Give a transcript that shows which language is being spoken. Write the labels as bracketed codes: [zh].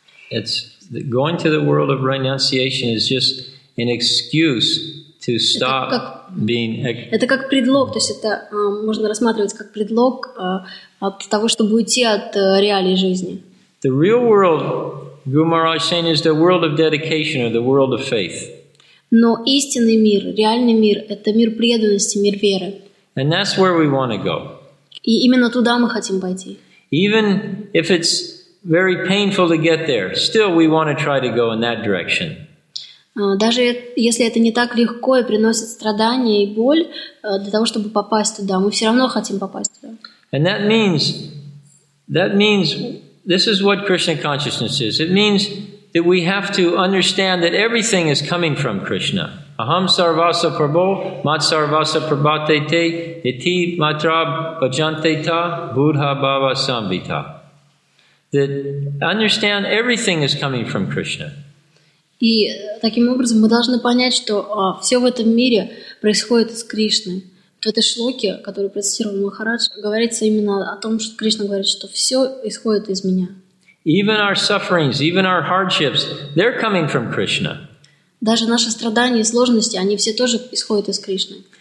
[en] It's going to the world of renunciation is just an excuse to stop being. [ru] Это как предлог, то есть это можно рассматривать как предлог от того, чтобы уйти от реалий жизни. [en] The real world, Guru Maharaj is saying, is the world of dedication or the world of faith. [ru] Но истинный мир, реальный мир, это мир преданности, мир веры. [en] And that's where we want to go. [ru] И именно туда мы хотим пойти. [en] Even if it's very painful to get there. Still, we want to try to go in that direction. [ru] Даже если это не так легко и приносит страдания и боль для того, чтобы попасть туда, мы все равно хотим попасть туда. [en] And that means this is what Krishna consciousness is. It means that we have to understand that everything is coming from Krishna. [sa] Aham sarvasa prabho, mat sarvasa prabhate te, iti matra bhajante ta, buddha bhava sambhita. [en] That understand everything is coming from Krishna. [ru] И таким образом мы должны понять, что все в этом мире происходит из Кришны. В этой шлоке, которую процитировал Махарадж, говорится именно о том, что Кришна говорит, что все исходит из меня. [en] Even our sufferings, even our hardships, they're coming from Krishna. [ru] Даже наши страдания и сложности, они все тоже исходят из Кришны.